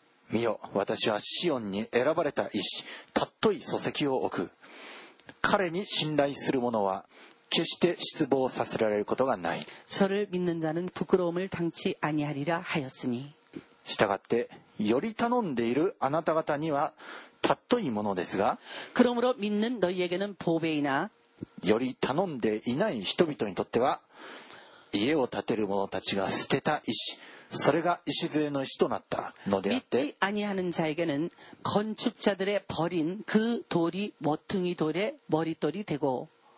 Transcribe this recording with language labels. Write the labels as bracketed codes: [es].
[ja] 미요私はシオンに選ばれた石たっとい礎石を置く彼に信頼する者は決して失望させられることがない。 [ko] 저를믿는자는부끄러움을당치아니하리라하였으니 [ja] したがってより頼んでいるあなた方にはたっといものですが、 [ko] 그러므로믿는너희에게는보배이나 [ja] より頼んでいない人々にとっては家を建てる者たちが捨てた石それが石杖の石となったのであって [ko] 믿지아니하는자에게는건축자들의버린그돌이모퉁이돌의머리돌이되고